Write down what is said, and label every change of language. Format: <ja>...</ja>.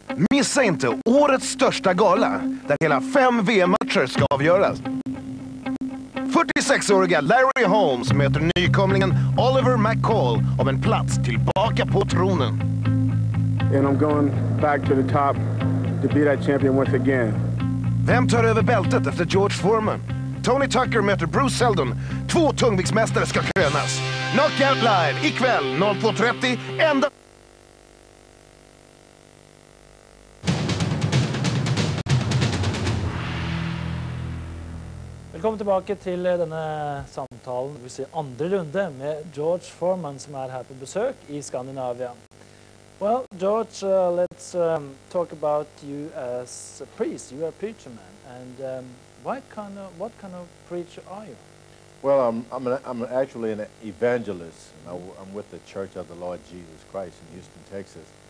<sv>Missa inte årets största gala där hela fem VM-matcher ska avgöras. 46-åriga Larry Holmes möter nykomlingen Oliver McCall om en plats tillbaka på tronen.</sv> <en>And I'm going back to the top to be that champion once again.</en> <sv>Vem tar över bältet efter George Foreman? Tony Tucker möter Bruce Seldon. Två tungviktsmästare ska krönas. Knockout Live ikväll 02:30 ända.</sv> <no>Kom tilbake til denne samtalen, vi ser andre runde med George Foreman, som her på besøk I Skandinavia.</no> <en>Well, George, let's talk about you as a priest. You are a preacher man, and what kind of preacher are you? Well, I'm actually an evangelist. I'm with the Church of the Lord Jesus Christ in Houston, Texas.</en>